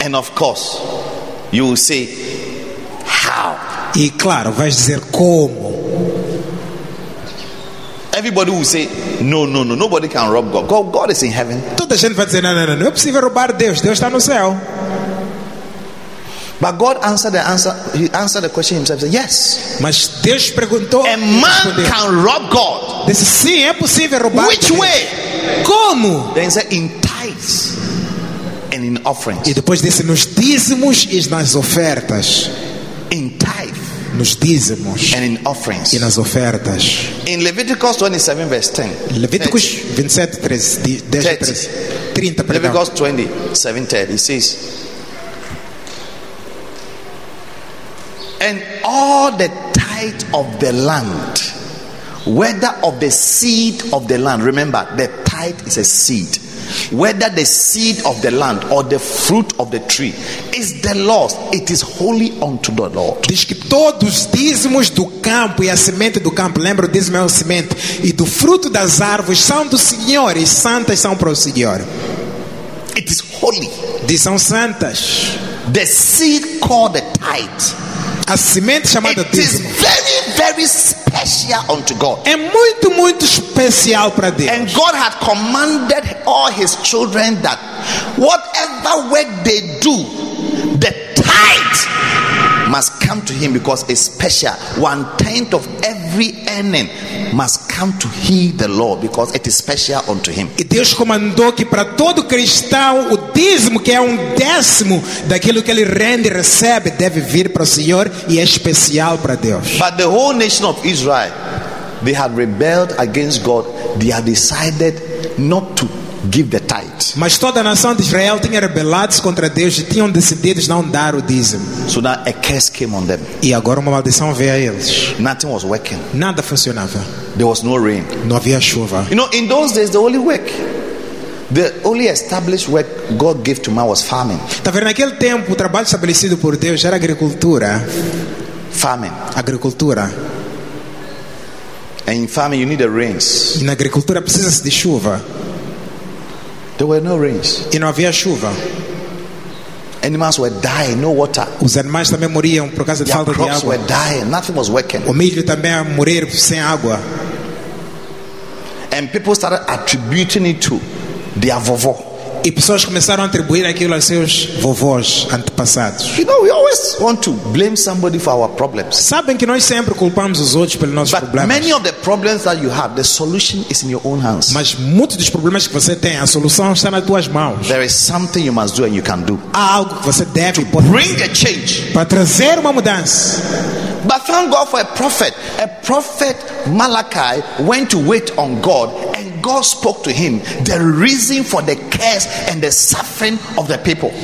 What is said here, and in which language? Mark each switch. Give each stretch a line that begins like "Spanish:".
English: And of course, you will say, how?
Portuguese: E claro, vais dizer como?
English: Everybody will say, no, nobody can rob God. God is in heaven.
Portuguese: Toda gente vai dizer, não é possível roubar Deus. Deus está no céu.
English: But God answered he answered the question himself. Said, yes.
Portuguese: Mas Deus perguntou.
English: A man can rob God.
Portuguese: Disse, sim, é possível roubar.
English: Which way?
Portuguese: Como?
English: Then he said, in tithes. And in offerings.
Portuguese: E depois disse nos dízimos e nas ofertas.
English: In tithe,
Portuguese: nos dízimos
English: and in offerings.
Portuguese: E nas ofertas.
English: In Leviticus 27 verse 10.
Portuguese: Levíticos 27:30.
English: Leviticus 27:30 says, and all the tithe of the land, whether of the seed of the land, remember the tithe is a seed. Whether the seed of the land or the fruit of the tree is the Lord's, it is holy unto the Lord.
Portuguese: Diz que todos os dízimos do campo e a semente do campo, lembra, o dízimo é a semente, e do fruto das árvores são do Senhor e santas são para o Senhor.
English: It is holy.
Portuguese: Diz, são santas.
English: The seed called the tithe.
Portuguese: A semente chamada
English: dízimo. It is very, very special unto God.
Portuguese: É muito, muito especial para Deus.
English: And God had commanded all his children that whatever work they do, the tithe must come to him because it's special. One tenth of every earning must come to he, the Lord, because it is special unto him.
Portuguese: E Deus comandou que para todo cristão o dízimo, que é um décimo daquilo que ele rende e recebe, deve vir para o Senhor e é especial para Deus.
English: But the whole nation of Israel, they had rebelled against God. They had decided not to give the tithe.
Portuguese: Mas toda a nação de Israel tinha rebelado contra Deus e tinham decidido não dar o dízimo.
English: So now a curse came on them.
Portuguese: E agora uma maldição veio a eles.
English: Nothing was working.
Portuguese: Nada funcionava.
English: There was no rain.
Portuguese: Não havia chuva.
English: You know, in those days the only established work God gave to man was farming.
Portuguese: Tá vendo, naquele tempo o trabalho estabelecido por Deus era agricultura.
English: Farming.
Portuguese: Agricultura.
English: And in farming you need the rains.
Portuguese: E na agricultura precisa-se de chuva.
English: There were no rains.
Portuguese: E não havia chuva.
English: Animals were dying, no water.
Portuguese: Os animais também morriam por causa de
English: their
Portuguese: falta de água.
English: Crops were dying, nothing was working.
Portuguese: O milho também morreu sem água.
English: And people started attributing it to their vovó.
Portuguese: E pessoas começaram a atribuir aquilo aos seus vovós antepassados.
English: You know, we always want to blame somebody for our problems.
Portuguese: Sabem que nós sempre culpamos os outros pelos nossos problemas.
English: Many of the problems that you have, the solution is in your own hands.
Portuguese: Mas muitos dos problemas que você tem, a solução está nas tuas mãos.
English: There is something you must do and you can do.
Portuguese: Há algo que você deve
English: to bring a change.
Portuguese: Para trazer uma mudança.
English: But thank God for a prophet. A prophet Malachi went to wait on God. God spoke to him the reason for the curse and the suffering of the people.